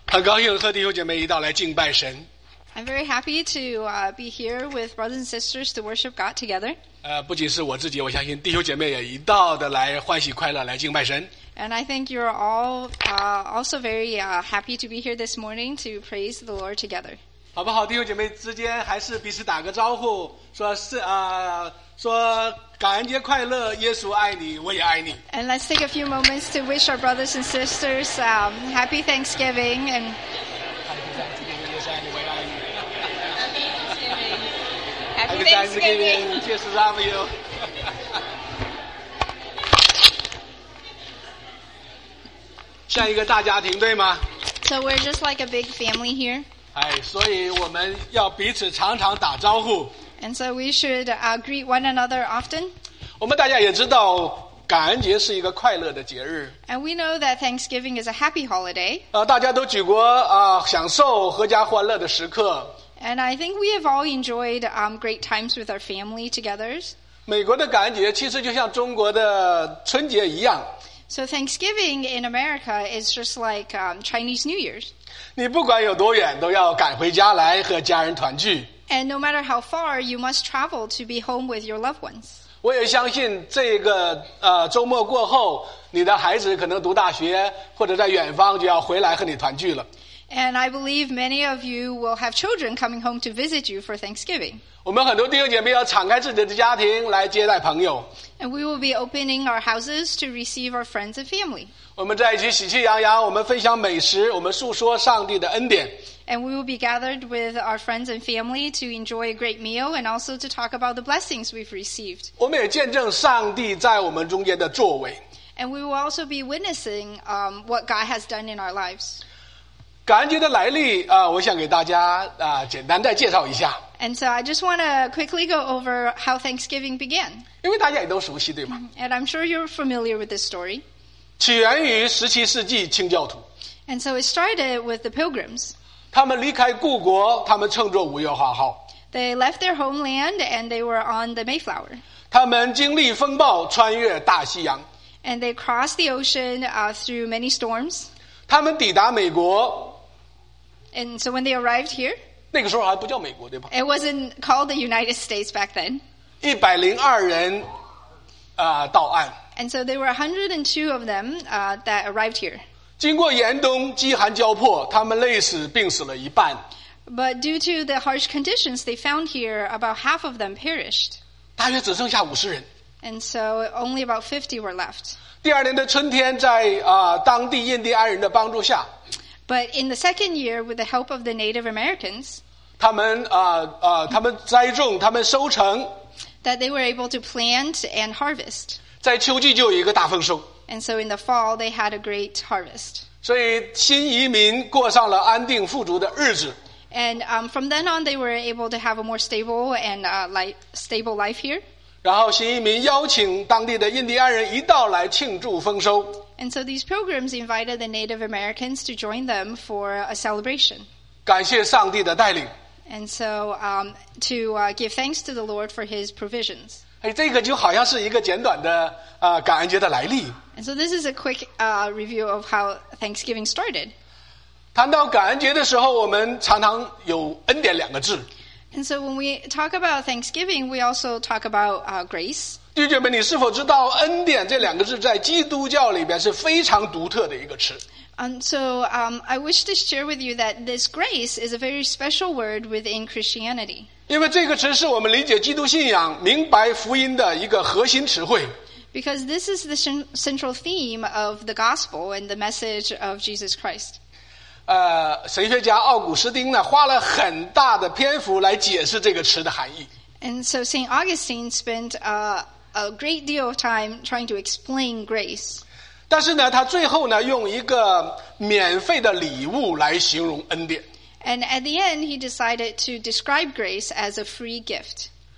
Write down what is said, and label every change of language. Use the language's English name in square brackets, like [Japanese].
[Chinese] 很高兴和弟兄姐妹一道来敬拜神。 [English] I'm very happy to be here with brothers and sisters to worship God together. [Chinese] 不仅是我自己，我相信弟兄姐妹也一道的来欢喜快乐来敬拜神。 [English] And I think you're all also very happy to be here this morning to praise the Lord together. [Chinese] 好不好，弟兄姐妹之间还是彼此打个招呼，说是说感恩节快乐，耶稣爱你，我也爱你。 [English] And let's take a few moments to wish our brothers and sisters happy Thanksgiving and. Happy Thanksgiving. Happy Thanksgiving. Jesus love you. Like a [Chinese] 大家庭，对吗 [English] ？So we're just like a big family here. [Chinese] 所以我们要彼此常常打招呼。 [English] And so we should greet one another often. [Chinese] 我们大家也知道，感恩节是一个快乐的节日。 [English] And we know that Thanksgiving is a happy holiday. [Chinese] 大家都举过享受阖家欢乐的时刻。 [English] And I think we have all enjoyed great times with our family together. [Chinese] 美国的感恩节其实就像中国的春节一样。 [English] So Thanksgiving in America is just like Chinese New Year's. [Chinese] 你不管有多远都要赶回家来和家人团聚。 [English] And no matter how far, you must travel to be home with your loved ones. [Chinese] 我也相信这个周末过后，你的孩子可能读大学或者在远方就要回来和你团聚了。 [English] And I believe many of you will have children coming home to visit you for Thanksgiving. [Chinese] 我们很多弟兄姐妹要敞开自己的家庭来接待朋友。 [English] And we will be opening our houses to receive our friends and family. [Chinese] 我们在一起喜气洋洋，我们分享美食，我们诉说上帝的恩典。 [English] And we will be gathered with our friends and family to enjoy a great meal and also to talk about the blessings we've received. [Chinese] 我们也见证上帝在我们中间的作为。 [English] And we will also be witnessing what God has done in our lives. [Chinese] 感恩节的来历我想给大家简单再介绍一下。 [English] And so I just want to quickly go over how Thanksgiving began. [Chinese] 因为大家也都熟悉对吗？ [English] And I'm sure you're familiar with this story. [Chinese] 起源于17世纪清教徒。 [English] And so it started with the pilgrims. [Chinese] 他们离开故国，他们乘坐五月花号。 [English] They left their homeland and they were on the Mayflower. [Chinese] 他们经历风暴，穿越大西洋。 [English] And they crossed the ocean through many storms. [Chinese] 他们抵达美国。 [English] And so when they arrived here, [Chinese] 那个时候还不叫美国，对吧？ [English] It wasn't called the United States back then. [Chinese] 102人到岸。 [English] And so there were 102 of them that arrived here. [Chinese] 经过严冬，饥寒交迫，他们累死，病死了一半。 [English] But due to the harsh conditions they found here, about half of them perished. [Chinese] 大约只剩下50人。 [English] And so only about 50 were left. [Chinese] 第二年的春天在当地印第安人的帮助下。 [English] But in the second year, with the help of the Native Americans, [Chinese] 他们栽种，他们收成。 [English] That they were able to plant and harvest. [Chinese] 在秋季就有一个大丰收。 [English] And so in the fall, they had a great harvest. [Chinese] 所以新移民过上了安定富足的日子。 [English] And from then on, they were able to have a more stable and stable life here. [Chinese] 然后新移民邀请当地的印第安人一道来庆祝丰收。 [English] And so these pilgrims invited the Native Americans to join them for a celebration. [Chinese] 感谢上帝的带领。 [English] And so to give thanks to the Lord for his provisions. [Chinese] 哎，这个就好像是一个简短的感恩节的来历。 [English] And so this is a quick review of how Thanksgiving started. [Chinese] 谈到感恩节的时候，我们常常有恩典两个字。 [English] And so when we talk about Thanksgiving, we also talk about grace. [Chinese] 弟兄们，你是否知道恩典这两个字在基督教里边是非常独特的一个词？ [English] And so I wish to share with you that this grace is a very special word within Christianity. [Chinese] 因为这个词是我们理解基督信仰、明白福音的一个核心词汇。 [English] Because this is the central theme of the gospel and the message of Jesus Christ. [Chinese] 神学家奥古斯丁呢，花了很大的篇幅来解释这个词的含义。 [English] And so Saint Augustine spent a great deal of time trying to explain grace. [Chinese] 但是呢，他最后呢，用一个免费的礼物来形容恩典。 [English] And at the end, he decided to describe grace as a free gift.